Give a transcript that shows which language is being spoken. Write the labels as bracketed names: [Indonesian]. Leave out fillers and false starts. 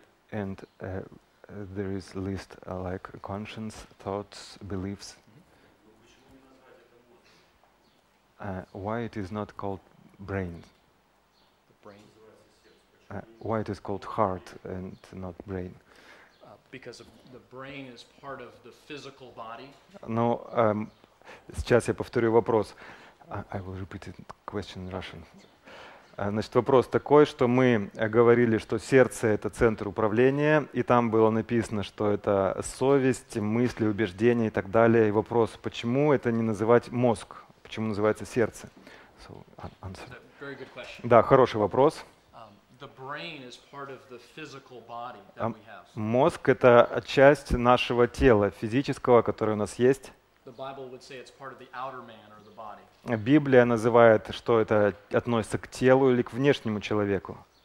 [English] And there is list like conscience, thoughts, beliefs. Why it is not called brain? Why it is called heart and not brain? Because the brain is part of the physical body. [Russian] Но сейчас я повторю вопрос. [English] I will repeat the question in Russian. [Russian] Значит, вопрос такой, что мы говорили, что сердце – это центр управления, и там было написано, что это совесть, мысли, убеждения и так далее. И вопрос, почему это не называть мозг? Почему называется сердце? [English] So, answer. Very good question. [Russian] Да, хороший вопрос. [English] The brain is part of the physical body that we have. [Russian] Мозг – это часть нашего тела, физического, который у нас есть. Библия называет, что это относится к телу или к внешнему человеку.